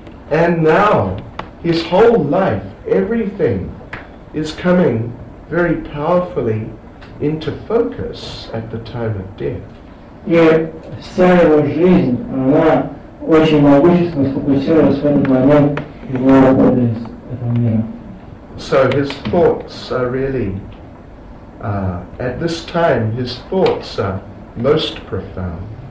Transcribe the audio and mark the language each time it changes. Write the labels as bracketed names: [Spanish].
[English] And now his whole life, everything is coming very powerfully into focus at the time of death. [Russian] И вся его жизнь, она очень могущественно сфокусировалась в этот момент его работы из этого мира. [English] So his thoughts are really at this time his thoughts are most profound.